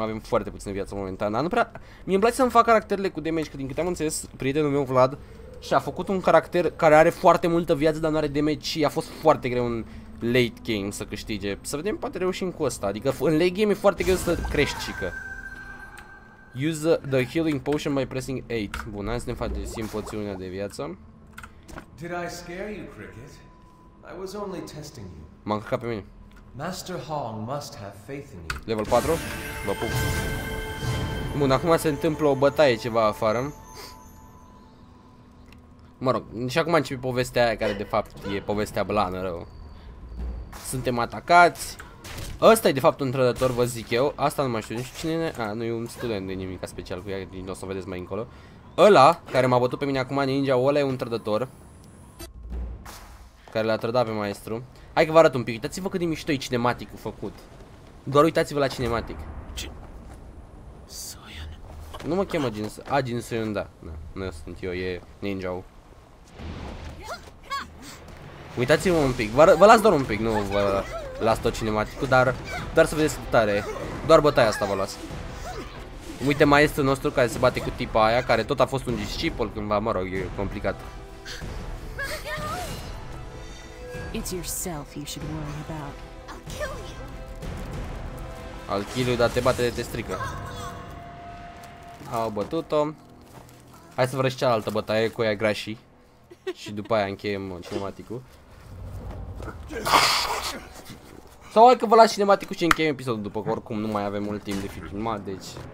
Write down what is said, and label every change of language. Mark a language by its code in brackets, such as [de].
[ro] Avem foarte puțină viață momentan. Dar nu prea... Mie îmi place să-mi fac caracterele cu damage, că din câte am înțeles, prietenul meu Vlad și-a făcut un caracter care are foarte multă viață, dar nu are damage și a fost foarte greu în... late game să câștige. Să vedem, poate reușim cu ăsta. Adică în late game e foarte greu să crești, chică. [en] Use the healing potion by pressing 8. [ro] Bun, hai să ne facem poțiunea de viață. [en] Did I scare you, Cricket? I was only testing you. [ro] M-am căcat pe mine. [en] Master Hong must have faith in you. [ro] Level 4? Vă pup. Bun, acum se întâmplă o bătaie ceva afară. Mă rog, și acum începe povestea aia care de fapt e povestea blană, rău. Suntem atacați. Ăsta e de fapt un trădător, vă zic eu. Asta nu mai știu nici cine. A, nu e un student, nu e nimic special cu ea, nu o să o vedeți mai încolo. Ăla, care m-a bătut pe mine acum, ninja, ăla e un trădător. Care l-a trădat pe maestru. Hai că vă arăt un pic, uitați-vă cât de mișto e cinematicul făcut. Doar uitați-vă la cinematic. Nu mă chemă Jin Soo-yeon. A, Jin Soo-yeon, da. Da. Nu sunt eu, e ninja-ul. Uitați-vă un pic, vă las doar un pic, nu vă las tot cinematicul, dar doar să vedeți cât tare. Doar bătaia asta vă las. Uite maestrul nostru care se bate cu tipa aia, care tot a fost un discipol cândva, mă rog, e complicat. [en] It's yourself you should worry about. [ro] Al kill-ul, dar te bate de te strică. Au bătut-o. Hai să vrăși cealaltă bătaie cu aia grașii. Și după aia încheiem cinematicul. Sau hai că vă las cinematicul și încheiem episodul după, oricum nu mai avem mult timp de filmat, deci...